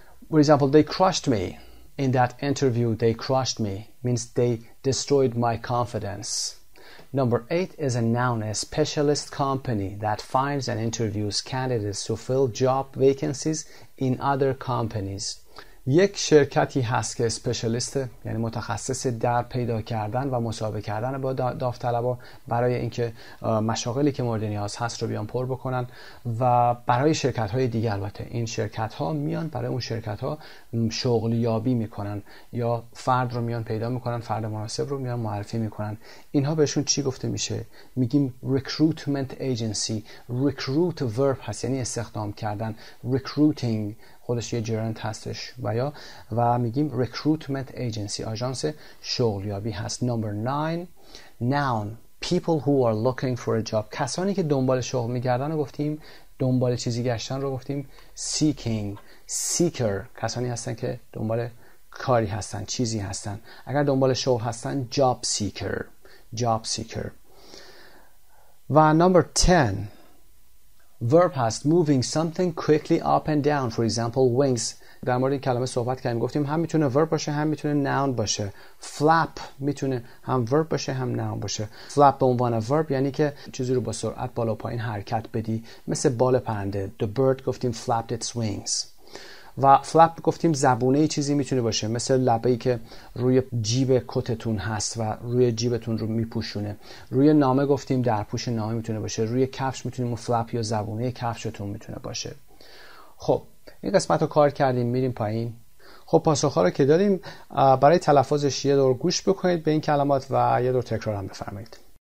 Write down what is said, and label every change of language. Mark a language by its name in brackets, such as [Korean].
[English] For example, they crushed me in that interview. They crushed me means they destroyed my confidence. Number 8 is a noun, a specialist company that finds and interviews candidates to fill job vacancies in other companies. [Persian] یک شرکتی هست که specialist یعنی متخصص در پیدا کردن و مصاحبه کردن با داوطلبان برای اینکه مشاغلی که مورد نیاز هست رو بیان پر بکنن و برای شرکت‌های دیگه. البته این شرکت‌ها میان برای اون شرکت‌ها شغلیابی می‌کنن یا فرد رو میان پیدا می‌کنن، فرد مناسب رو میان معرفی می‌کنن. اینها بهشون چی گفته میشه؟ میگیم recruitment agency. recruit verb هست یعنی استخدام کردن. recruiting خودش یه جرنت هستش و میگیم recruitment agency، آژانس شغلیابی هست. [English] number 9 noun، people who are looking for a job، [Persian] کسانی که دنبال شغل میگردن رو گفتیم، دنبال چیزی گشتن رو گفتیم. seeking، seeker، کسانی هستن که دنبال کاری هستن، چیزی هستن. اگر دنبال شغل هستن job seeker. [English] و number 10 verb هست moving something quickly up and down. For example wings. [Persian] در مورد این کلمه صحبت کردیم، گفتیم هم میتونه verb باشه هم میتونه noun باشه. flap میتونه هم verb باشه هم noun باشه. flap به عنوان verb یعنی که چیزی رو با سرعت بالا پایین حرکت بدی، مثل بال پرنده. [English] the bird گفتیم flapped its wings. [Persian] و flap گفتیم زبونه چیزی میتونه باشه، مثل لبه‌ای که روی جیب کتتون هست و روی جیبتون رو میپوشونه. روی نامه گفتیم درپوش نامه میتونه باشه. روی کفش میتونیم flap یا زبونه کفشتون میتونه باشه. خب این قسمت رو کار کردیم، میریم پایین. خب پاسخ‌ها رو که دادیم، برای تلفظش یه دور گوش بکنید به این کلمات و یه دور تکرار هم بفرمایید.